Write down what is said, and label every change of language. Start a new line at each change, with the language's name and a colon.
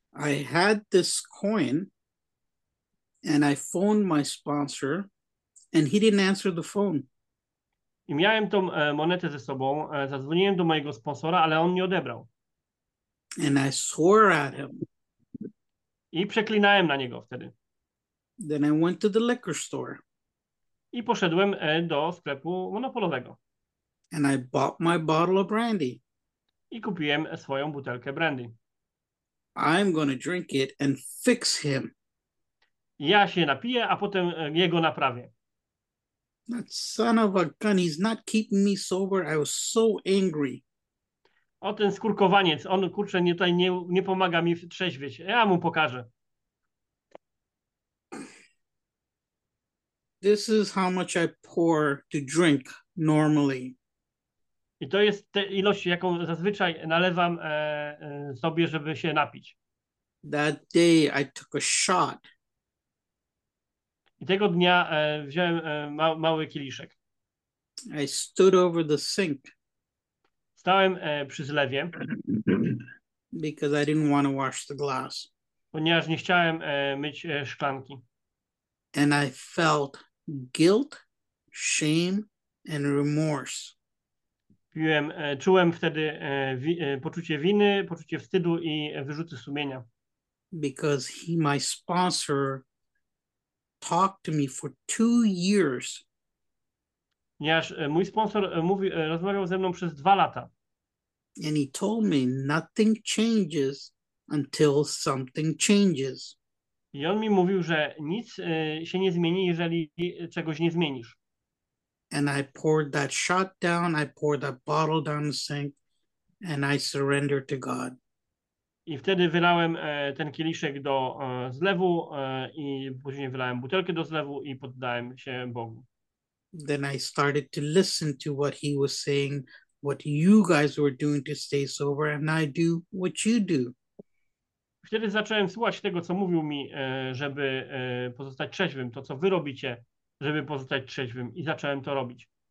English: I had this coin and I phoned my sponsor and he didn't answer the phone.
Polish: I miałem tą monetę ze sobą, zadzwoniłem do mojego sponsora, ale on nie odebrał.
English: And I swore at him.
Polish: I przeklinałem na niego wtedy.
English: Then I went to the liquor store.
Polish: I poszedłem do sklepu monopolowego.
English: And I bought my bottle of brandy.
Polish: I kupiłem swoją butelkę brandy.
English: I'm gonna drink it and fix him.
Polish: Ja się napiję, a potem jego naprawię.
English: That son of a gun, he's not keeping me sober. I was so angry.
Polish: O, ten skurkowaniec, on kurczę tutaj nie pomaga mi trzeźwieć. Ja mu pokażę.
English: This is how much I pour to drink normally.
Polish: I to jest ta ilość, jaką zazwyczaj nalewam sobie, żeby się napić.
English: That day I took a shot.
Polish: I tego dnia wziąłem mały kieliszek.
English: I stood over the sink.
Polish: Stałem przy zlewie.
English: Because I didn't want to wash the glass.
Polish: Ponieważ nie chciałem myć szklanki.
English: And I felt guilt, shame and remorse.
Polish: Czułem wtedy poczucie winy, poczucie wstydu i wyrzuty sumienia.
English: Because my sponsor talked to me for 2 years.
Polish: Ponieważ mój sponsor rozmawiał ze mną przez 2 lata.
English: And he told me nothing changes until something changes.
Polish: I on mi mówił, że nic się nie zmieni, jeżeli czegoś nie zmienisz.
English: And I poured that shot down, I poured that bottle down the sink, and I surrendered to God.
Polish: I wtedy wylałem ten kieliszek do zlewu i później wylałem butelkę do zlewu i poddałem się Bogu.
English: Then I started to listen to what he was saying, what you guys were doing to stay sober, and I do what you do.
Polish: Wtedy zacząłem słuchać tego, co mówił mi, żeby pozostać trzeźwym, to co wy robicie, żeby pozostać trzeźwym, i zacząłem to robić.